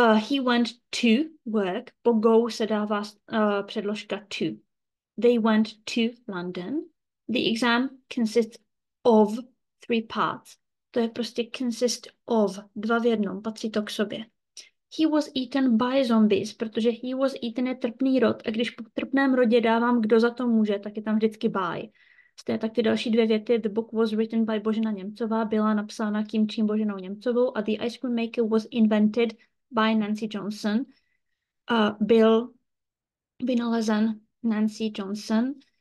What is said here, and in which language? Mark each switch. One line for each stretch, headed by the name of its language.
English: He went to work.
Czech: Po go se dává předložka to.
English: They went to London. The exam consists of three parts.
Czech: To je prostě consist of. Dva v jednom, patří to k sobě.
English: He was eaten by zombies,
Czech: protože he was eaten je trpný rod a když po trpném rodě dávám, kdo za to může, tak je tam vždycky by. Stejně tak ty další dvě věty,
English: the book was written by Božena Němcová,
Czech: byla napsána kým čím Boženou Němcovou a
English: the ice cream maker was invented by Nancy Johnson,
Czech: byl vynalezen Nancy Johnson.